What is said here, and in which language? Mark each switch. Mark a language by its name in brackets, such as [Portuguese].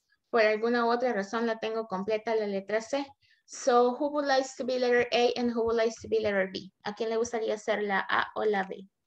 [Spanish] Por alguna otra razón, la tengo completa la letra C. [English] So who would like to be letter A and who would like to be letter B? [Spanish] ¿A quién le gustaría ser la A o la B?